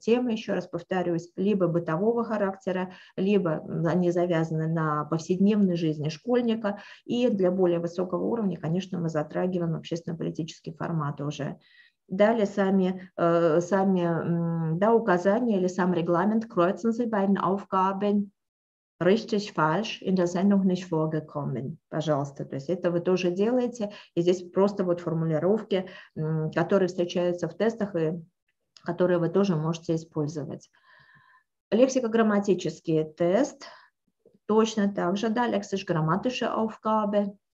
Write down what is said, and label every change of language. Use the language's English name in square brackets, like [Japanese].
[Russian] Темы, еще раз повторюсь, либо бытового характера, либо они завязаны на повседневной жизни школьника, и для более высокого уровня, конечно, мы затрагиваем общественно-политический формат уже. Далее сами указания или сам регламент. [German] Kreuzen Sie beiden Aufgaben. Richtig, falsch, in der Sendung nicht vorgekommen. [Russian] Пожалуйста, то есть это вы тоже делаете. И здесь просто вот формулировки, которые встречаются в тестах и которые вы тоже можете использовать. Лексико-грамматический тест. Точно так же, да, [German] lexisch-grammatische Aufgabe.